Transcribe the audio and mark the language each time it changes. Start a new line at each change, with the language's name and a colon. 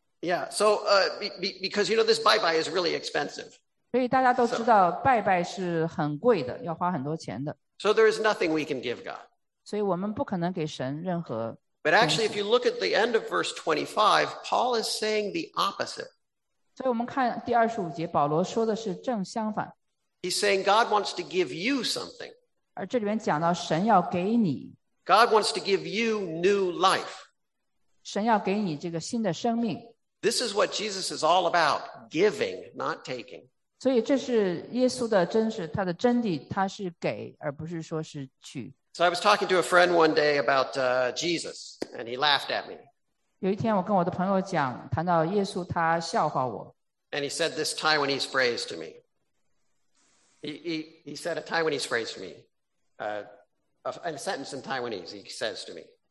English: Yeah, so because you know this bye-bye is really expensive.
Chinese: 所以大家都知道拜是很贵的，要花很多钱的。
English: So there is nothing we can give God.
Chinese: 所以我们不可能给神任何。
English: But actually, if you look at the end of verse 25, Paul is saying the opposite.
Chinese: 所以我们看第25节，保罗说的是正相反。
English: He's saying God wants to give you something.
Chinese: 而这里面讲到神要给你。
English: God wants to give you new life.
Chinese: 神要给你这个新的生命。
English: This is what Jesus is all about, giving, not taking.
Chinese: 所以这是耶稣的真实，他的真谛，他是给，而不是说是取。
English: So I was talking to a friend one day about Jesus, and he laughed at me.
Chinese: 有一天我跟我的朋友讲，谈到耶稣，他笑话我。
English: And he said this Taiwanese phrase to me. He said a Taiwanese phrase to me. A sentence in Taiwanese, he says to me.